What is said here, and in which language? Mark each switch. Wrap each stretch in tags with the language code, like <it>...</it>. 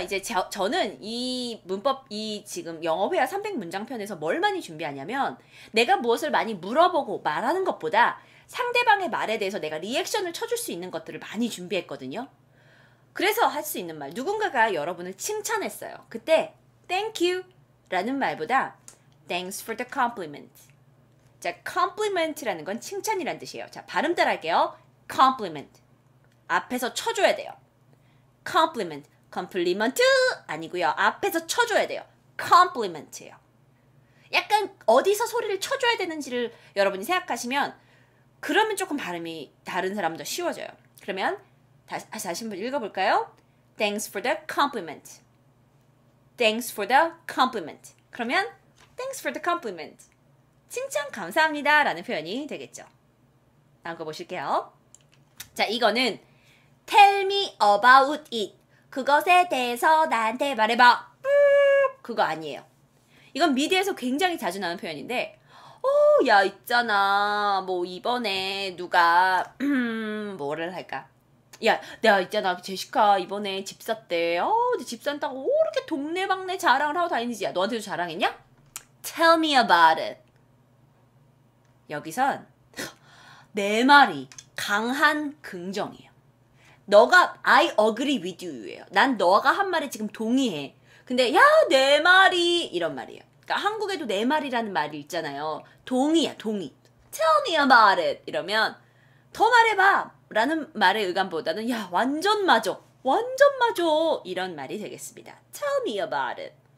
<ko>이제 저는 이 문법, 이 지금 영어 회화 300문장 편에서 뭘 많이 준비하냐면 내가 무엇을 많이 물어보고 말하는 것보다 상대방의 말에 대해서 내가 리액션을 쳐줄 수 있는 것들을 많이 준비했거든요. 그래서 할 수 있는 말, 누군가가 여러분을 칭찬했어요.</ko> <en>그때 Thank you 라는 말보다 Thanks for the compliment.</en> <ko>자, compliment라는 건 칭찬이란 뜻이에요. 자, 발음 따라 할게요. Compliment. 앞에서 쳐줘야 돼요. Compliment. Compliment 아니고요. 앞에서 쳐줘야 돼요. Compliment예요. 약간 어디서 소리를 쳐줘야 되는지를 여러분이 생각하시면 그러면 조금 발음이 다른 사람도 쉬워져요. 그러면 다시 한번 읽어볼까요?</ko> <en>Thanks for the compliment. Thanks for the compliment. 그러면 Thanks for the compliment.</en> <ko>칭찬 감사합니다 라는 표현이 되겠죠. 다음 거 보실게요.</ko> <en>자, 이거는 Tell me about it.</en> <ko>그것에 대해서 나한테 말해봐. 그거 아니에요. 이건 미디어에서 굉장히 자주 나오는 표현인데 야 있잖아 뭐 이번에 누가 뭐를 할까 야 내가 있잖아 제시카 이번에 집 샀대 네 집 산다고 이렇게 동네방네 자랑을 하고 다니는지 야 너한테도 자랑했냐?</ko> <en>Tell me about it.</en> <ko>여기선 내 말이 강한 긍정이에요.</ko> <en>너가 I agree with you예요.</en> <ko>난 너가 한 말에 지금 동의해. 근데 야 내 말이 이런 말이에요. 그러니까 한국에도 내 말이라는 말이 있잖아요. 동의야, 동의. Tell me about it. 이러면 더 말해봐. 라는 말의 의감보다는 야, 완전 맞아. 완전 맞아. 이런 말이 되겠습니다. Tell me about it.</ko>